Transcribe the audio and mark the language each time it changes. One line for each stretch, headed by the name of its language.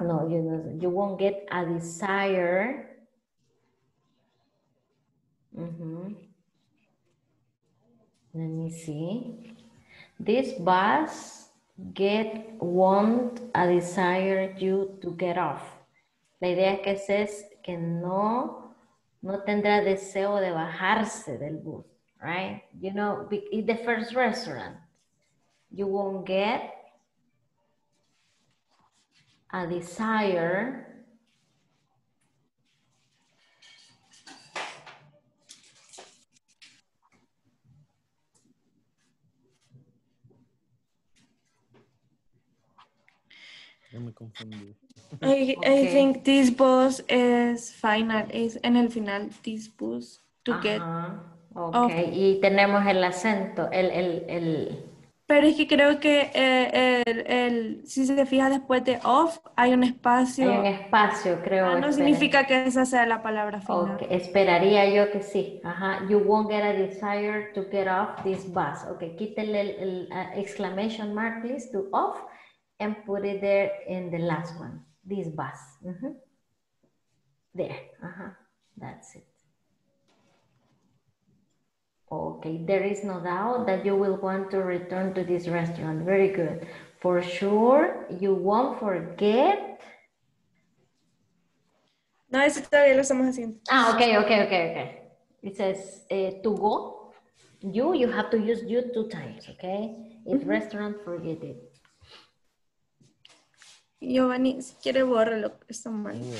English: No, you won't get a desire. Let me see. This bus won't a desire you to get off.
Spanish: La idea es que es que no tendrá deseo de bajarse del bus, right?
English: You know, it's the first restaurant. You won't get a desire. I think this bus is final, is
Spanish: en el final,
English: this bus to get.
Spanish: Okay, y tenemos el acento, el. Pero es que creo que el si se fija después de off, hay un espacio. Hay un espacio, creo. No significa que esa sea la palabra final. Okay, esperaría yo que sí.
English: You won't get a desire to get off this bus. Okay,
Spanish: quítele el
English: exclamation mark, please, to off. And put it there in the last one, this bus. There, that's it. Okay, there is no doubt that you will want to return to this restaurant. Very good. For sure, you won't forget.
Spanish: No, eso todavía lo estamos haciendo.
English: Okay. It says to go. You have to use you two times, okay? If restaurant, forget it.
Spanish: Giovanni, si quiere borrar lo que está mal.